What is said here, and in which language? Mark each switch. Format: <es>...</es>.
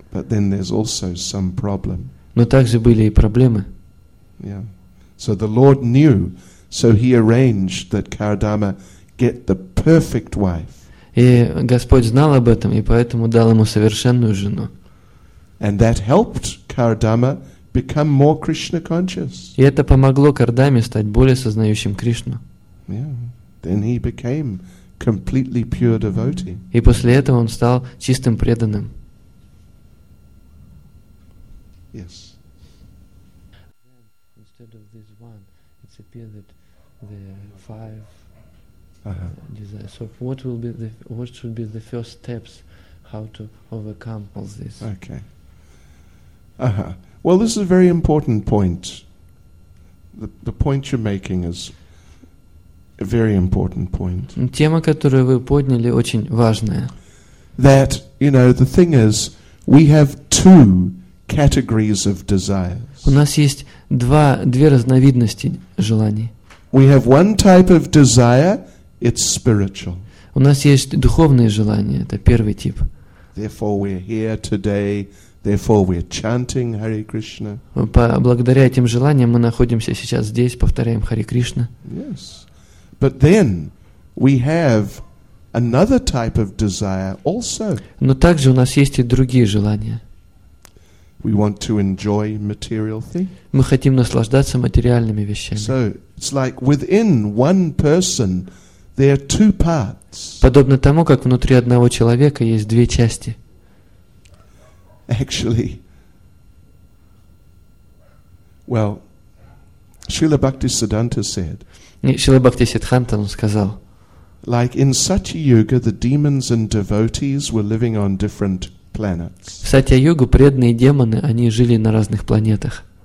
<en>But then there's also some problem.</en> <ru>Но также были и проблемы.</ru> <en>Yeah. So the Lord knew, so he arranged that Kardama get the perfect wife.</en> <ru>И Господь знал об этом, и поэтому дал ему совершенную жену.</ru> <en>And that helped Kardama become more Krishna conscious.</en> <ru>И это помогло Кардаме стать более сознающим Кришну.</ru> <en>Yeah. Then he became completely pure devotee.</en> <ru>И после этого он стал чистым преданным.</ru> <en>Yes. Then, instead of this one, it appeared that the five. Uh-huh. So what should be the first steps, how to overcome all this? Okay. Uh-huh. Well, this is a very important point. The point you're making is a very important point.</en> <ru>Тема, которую вы подняли, очень важная.</ru> <en>That, you know, the thing is, we have two categories of desires.</en> <ru>У нас есть две разновидности желаний.</ru> <en>We have one type of desire. It's spiritual.</en> <ru>У нас есть духовные желания, это первый тип.</ru> <en>Therefore we're here today, therefore we're chanting Hare Krishna.</en> <ru>Благодаря этим желаниям мы находимся сейчас здесь, повторяем Hare Krishna.</ru> <en>Yes. But then we have another type of desire also.</en> <ru>Но также у нас есть и другие желания.</ru> <en>We want to enjoy material things.</en> <ru>Мы хотим наслаждаться материальными вещами.</ru> <en>So it's like within one person there are two parts.</en> <ru>Подобно тому, как внутри одного человека есть две части.</ru> <en>Actually, well, Srila Bhaktisiddhanta said.</en> <ru>Srila Bhaktisiddhanta сказал.</ru> <en>Like in Satya-yuga, the demons and devotees were living on different planets.</en> <ru>В Сатья-югу преданные демоны они жили на разных планетах.</ru>